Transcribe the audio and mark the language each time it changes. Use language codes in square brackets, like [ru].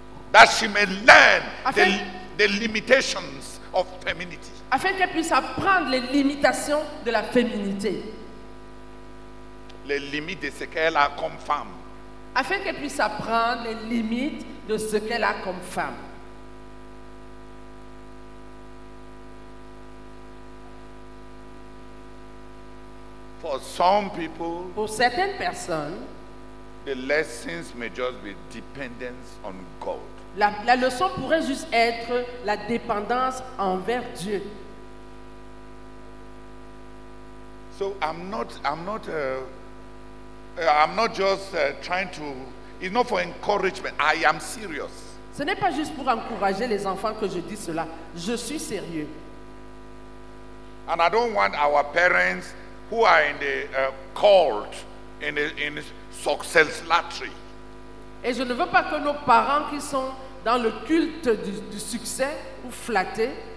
[en] That she may learn the limitations of femininity. [fr] Afin qu'elle puisse apprendre les limitations de la féminité. Les limites de ce qu'elle a comme femme. Afin qu'elle puisse apprendre les limites de ce qu'elle a comme femme. [en] For some people, [fr] pour certaines personnes, [en] the lessons may just be dependence on God. [fr] La leçon pourrait juste être la dépendance envers Dieu. [en] So I'm not just trying to It's not for encouragement. I am serious. [fr] Ce n'est pas juste pour encourager les enfants que je dis cela. Je suis sérieux. [en] And I don't want our parents who are in the cult in the success lottery. [fr] Et je ne veux pas que nos parents qui sont dans le culte du succès ou flattés.